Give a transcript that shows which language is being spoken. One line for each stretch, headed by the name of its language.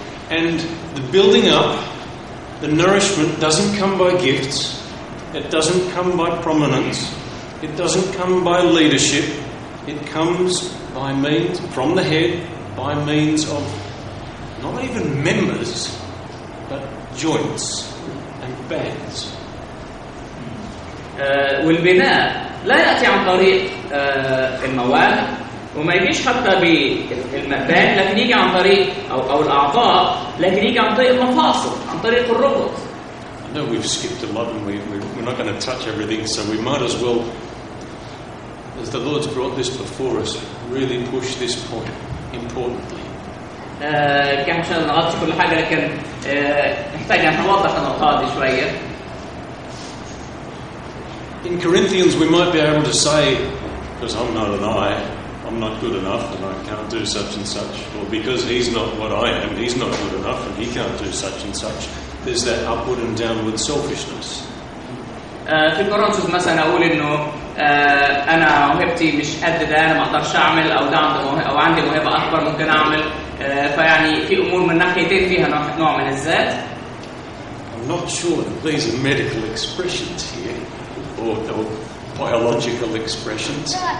English: And the building up, the nourishment doesn't come by gifts, it doesn't come by prominence, it doesn't come by leadership, it comes by means from the head, by means of not even members, but joints and bands.
Arabic: والبناء لا يأتي عن طريق المواهب وما يجيش حتى بالمبان لكن يجي عن طريق أو الأعضاء لكن يجي عن طريق المفاصل عن طريق الربط.
English: I know we've skipped a lot and we're not going to touch everything, so we might as well, as the Lord's brought this before us, really push this point importantly.
Arabic: كان عشان نغطي كل حاجة لكن نحتاج أن نوضح النقاط دي شوية.
English: In Corinthians, we might be able to say, because I'm not an eye, I'm not good enough, and I can't do such and such. Or because he's not what I am, he's not good enough, and he can't do such and such. There's that upward and downward selfishness.
Arabic: في الكورنثوس مثلا أقول إنه أنا موهبتي مش قد ده أنا ما أقدرش أعمل أو ده أو عندي موهبة أكبر ممكن أعمل فيعني في أمور من ناحيتين فيها نوع من الذات.
English: I'm not sure that these are medical expressions here. Or biological expressions.